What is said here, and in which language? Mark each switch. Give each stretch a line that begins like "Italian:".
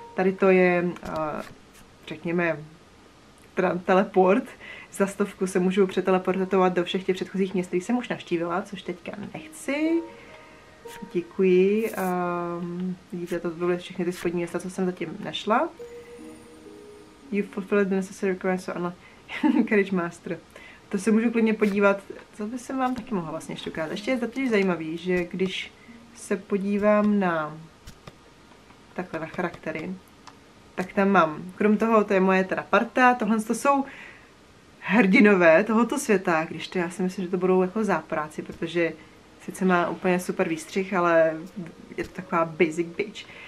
Czech: Tady to je, řekněme, teleport. Za stovku se můžu přeteleportovat do všech těch předchozích měst, které jsem už navštívila, což teďka nechci. Děkuji. Vidíte, to byly všechny ty spodní města, co jsem zatím našla.
English: You've fulfilled the necessary requirements to unlock Carriage Master.
Czech: To se můžu klidně podívat. Co by jsem vám taky mohla vlastně ještě ukázat. Ještě je zatím zajímavý, že když se podívám na takhle na charaktery, tak tam mám, krom toho, to je moje teda parta, tohle to jsou hrdinové tohoto světa, když to já si myslím, že to budou jako zápráci, protože sice má úplně super výstřih, ale je to taková
English: basic bitch.